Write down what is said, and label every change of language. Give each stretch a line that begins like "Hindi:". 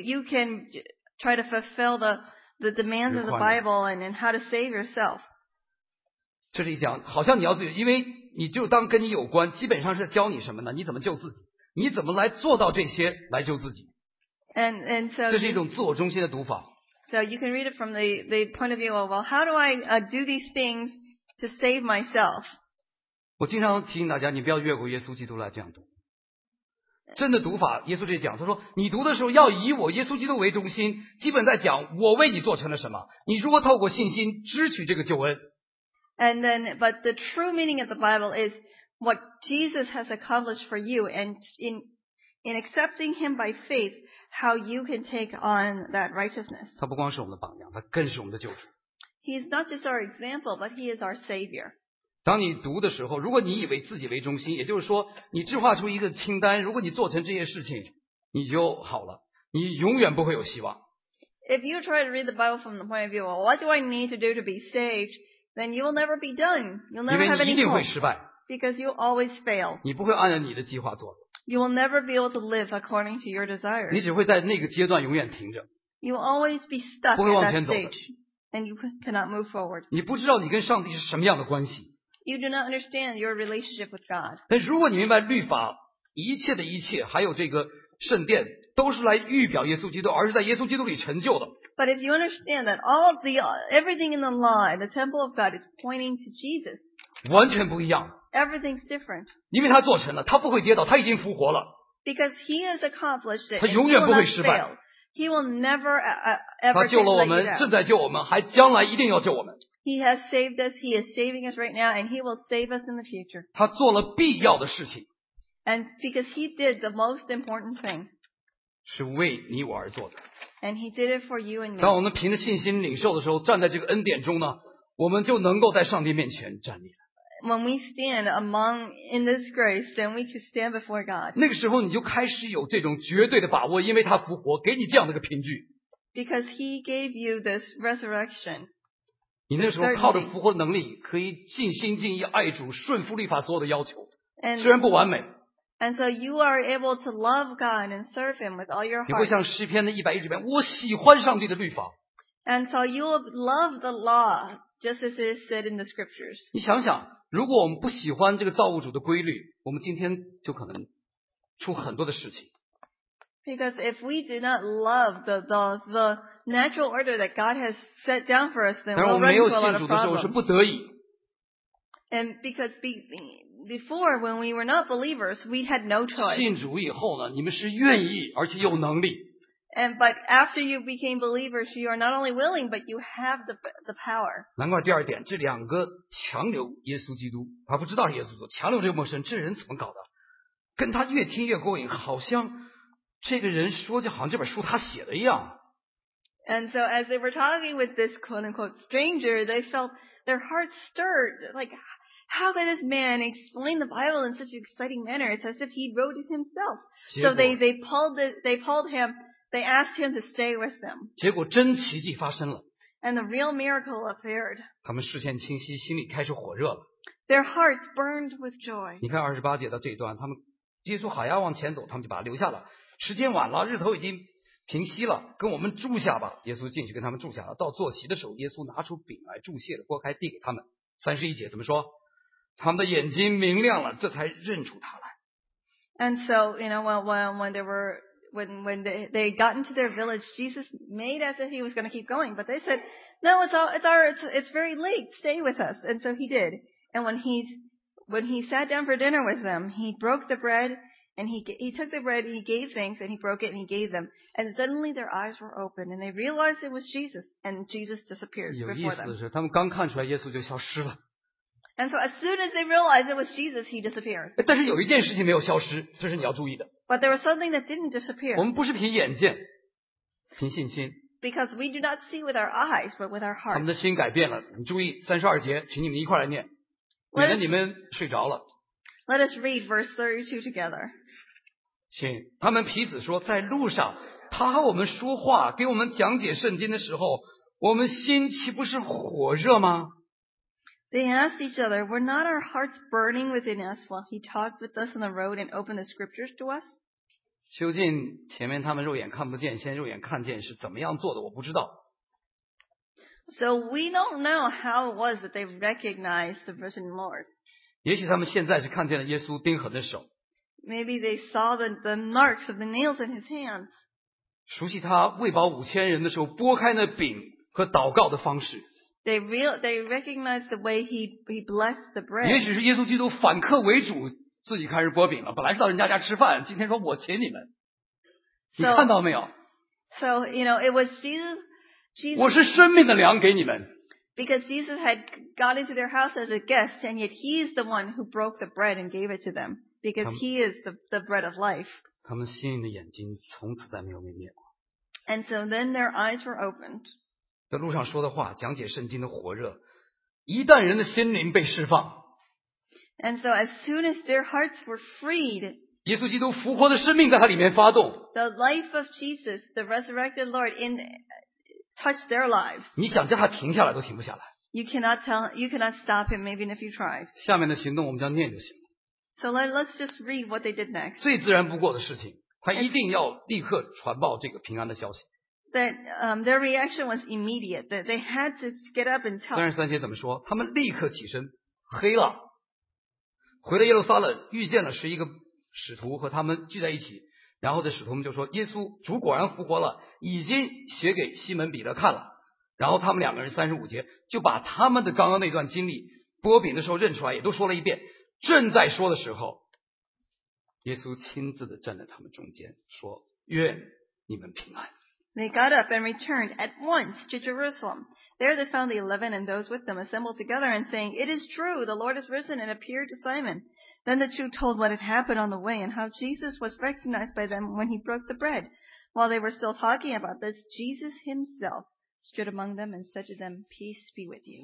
English: You can try to fulfill the demands of the Bible and how to save yourself.
Chinese: 这里讲，好像你要自己，因为你就当跟你有关，基本上是在教你什么呢？你怎么救自己？你怎么来做到这些来救自己
English: ？And so
Chinese: 这是一种自我中心的读法。
English: So you can read it from the point of view of well, how do I do these things to save myself？
Chinese: 我经常提醒大家，你不要越过耶稣基督来这样读。真的读法，耶稣这讲，他说你读的时候要以我耶稣基督为中心，基本在讲我为你做成了什么。你如果透过信心支取这个救恩
English: ，And then but the true meaning of the Bible is。 What Jesus has accomplished for you, and in accepting Him by faith, how you can take on that righteousness.
Chinese: 他不光是我们的榜样，他更是我们的救主。
English: He is not just our example, but He is our Savior.
Chinese: 当你读的时候，如果你以为自己为中心，也就是说，你制划出一个清单，如果你做成这些事情，你就好了，你永远不会有希望。
English: If you try to read the Bible from the point of view, well, what do I need to do to be saved? Then you will never be done. You'll never have any hope.
Chinese: 因为你一定会失败。
English: because you always fail.
Chinese: 你不会按照你的计划做。
English: You will never be able to live according to your desires.
Chinese: 你只会在那个阶段永远停着。
English: You will always be stuck at that stage, and you cannot move forward.
Chinese: 你不知道你跟上帝是什么样的关系。
English: You do not understand your relationship with God.
Chinese: 但是如果你明白律法，一切的一切，还有这个圣殿，都是来预表耶稣基督，而是在耶稣基督里成就的。
English: But if you understand that all of the everything in the law and the temple of God is pointing to Jesus,
Chinese: 完全不一样。
English: Everything's different.
Chinese: 因为他做成了，他不会跌倒，他已经复活了。
English: Because he has accomplished it,
Chinese: 他永远不会失败。
English: He will never ever.
Chinese: 他救了我们，正在救我们，还将来一定要救我们。
English: He has saved us. He is saving us right now, and he will save us in the future.
Chinese: 他做了必要的事情。
English: And because he did the most important thing.
Chinese: 是为你我而做的。
English: And he did it for you and me.
Chinese: 当我们凭着信心领受的时候，站在这个恩典中呢，我们就能够在上帝面前站立。
English: When we stand among in this grace, then we can stand before God.
Chinese: 那个时候你就开始有这种绝对的把握，因为他复活，给你这样的一个凭据。
English: Because he gave you this resurrection.
Chinese: 你那时候靠着复活的能力，可以尽心尽意爱主，顺服律法所有的要求，虽然不完美。
English: And so you are able to love God and serve Him with all your heart.
Chinese: 你会像诗篇的110篇，我喜欢上帝的律法。
English: And so you will love the law just as it is said in the scriptures.
Chinese: 你想想。如果我们不喜欢这个造物主的规律，我们今天就可能出很多的事情。
English: Because if we do not love the natural order that God has set down for us, then we'll run into a lot of problems.
Chinese: 我们没有信主的时候是不得已。
English: And because before when we were not believers, we had no choice.
Chinese: 信主以后呢，你们是愿意而且有能力。
English: And but after you became believers, you are not only willing, but you have the power.
Chinese: 难怪第二点，这两个强留耶稣基督，他不知道耶稣基督，强留这个陌生人，这人怎么搞的？跟他越听越过瘾，好像这个人说就好像这本书他写的一样。
English: And so as they were talking with this quote unquote stranger, they felt their hearts stirred. Like, how could this man explain the Bible in such an exciting manner? It's as if he wrote it himself. So they pulled him. They asked him to stay with them.
Chinese: 结果真奇迹发生了。
English: And the real miracle appeared.
Chinese: 他们视线清晰，心里开始火热了。
English: Their hearts burned with joy.
Chinese: 你看二十八节到这一段，他们耶稣好要往前走，他们就把他留下了。时间晚了，日头已经平息了，跟我们住下吧。耶稣进去跟他们住下了。到坐席的时候，耶稣拿出饼来，祝谢了，拨开递给他们。三十一节怎么说？他们的眼睛明亮了，这才认出他来。
English: And so, you know, when they were. When they got into their village, Jesus made as if he was going to keep going, but they said, "No, it's very late. Stay with us." And so he did. And when he sat down for dinner with them, he broke the bread and he took the bread and he gave thanks and he broke it and he gave them. And suddenly their eyes were opened and they realized it was Jesus and Jesus disappeared before them.
Chinese: 有意思的是，他们刚看出来耶稣就消失了。
English: And so as soon as they realized it was Jesus, he disappeared.
Chinese: 但是有一件事情没有消失，这是你要注意的。
English: But there was something that didn't disappear.
Chinese: 我们不是凭眼见，凭信心。
English: Because we do not see with our eyes, but with our hearts.
Chinese: 他们的心改变了。你注意三十二节，请你们一块来念，免得你们睡着了。
English: Let us read verse 32 together.
Chinese: 请他们彼此说，在路上，他和我们说话，给我们讲解圣经的时候，我们心岂不是火热吗？
English: They asked each other, were not our hearts burning within us while he talked with us on the road and opened the scriptures to us?
Chinese: 究竟前面他们肉眼看不见，现在肉眼看见是怎么样做的，我不知道。
English: So we don't know how it was that they recognized the risen Lord.
Chinese: 也许他们现在是看见了耶稣钉痕的手。
English: Maybe they saw the marks of the nails in his hands.
Chinese: 熟悉他喂饱五千人的时候拨开那饼和祷告的方式。
English: They recognize the way he blessed the bread.
Chinese: 也许是耶稣基督反客为主，自己开始拨饼了。本来是到人家家吃饭，今天说我请你们，你看到没有
English: ？So you know it was Jesus.
Chinese: 我是生命的粮给你们。
English: Because Jesus had got into their house as a guest, and yet he's the one who broke the bread and gave it to them because he is the bread of life.
Chinese: 他们心灵的眼睛从此再没有被灭过。
English: And so then their eyes were opened.
Chinese: 在路上说的话，讲解圣经的火热，一旦人的心灵被释放
English: ，And so as soon as their hearts were freed，
Chinese: 耶稣基督复活的生命在他里面发动
English: ，The life of Jesus, the resurrected Lord, touched their lives。
Chinese: 你想叫他停下来都停不下来。
English: You cannot stop him, even if you try.
Chinese: 下面的行动我们将念就行了。
English: So let's just read what they did next.
Chinese: 最自然不过的事情，他一定要立刻传报这个平安的消息。
English: Their reaction was immediate. That they had to get up and tell.
Chinese: 33节怎么说？他们立刻起身，黑了，回了耶路撒冷，遇见了十一个使徒和他们聚在一起。然后的使徒们就说：“耶稣主果然复活了，已经写给西门彼得看了。” 然后他们两个人35节就把他们的刚刚那段经历拨饼的时候认出来也都说了一遍，正在说的时候，耶稣亲自的站在他们中间说：“愿你们平安。”
English: They got up and returned at once to Jerusalem. There they found the 11 and those with them assembled together and saying, "It is true, the Lord has risen and appeared to Simon." Then the two told what had happened on the way and how Jesus was recognized by them when he broke the bread. While they were still talking about this, Jesus himself stood among them and said to them, "Peace be with you."